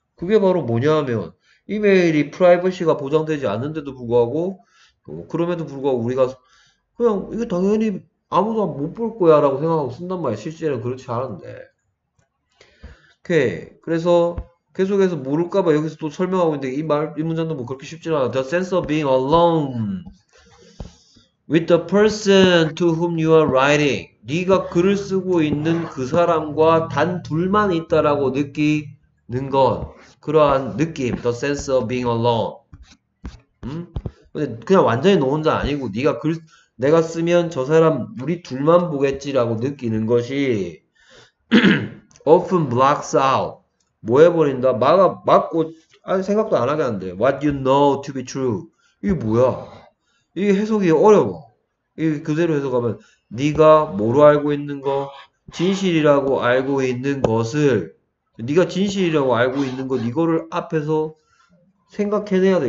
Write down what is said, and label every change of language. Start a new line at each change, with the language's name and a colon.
Korean: 그게 바로 뭐냐면 이메일이 프라이버시가 보장되지 않는데도 불구하고 그럼에도 불구하고 우리가 그냥 이게 당연히 아무도 못볼 거야라고 생각하고 쓴단 말이야. 실제는 그렇지 않은데. 오케이. 그래서 계속해서 모를까 봐 여기서 또 설명하고 있는데 이 문장도 뭐 그렇게 쉽지 않아.
English: The sense of being alone with the person to whom you are writing.
Korean: 네가 글을 쓰고 있는 그 사람과 단 둘만 있다라고 느끼는 것. 그러한 느낌.
English: The sense of being alone.
Korean: 근데 그냥 완전히 너 혼자 아니고 네가 글 내가 쓰면 저 사람 우리 둘만 보겠지라고 느끼는 것이
English: often blocks out
Korean: 뭐 해버린다 막고 아니 생각도 안 하게 한대
English: what you know to be true
Korean: 이게 뭐야 이게 해석이 어려워 이게 그대로 해석하면 네가 뭐로 알고 있는 거 진실이라고 알고 있는 것을 네가 진실이라고 알고 있는 것 이거를 앞에서 생각해내야 돼.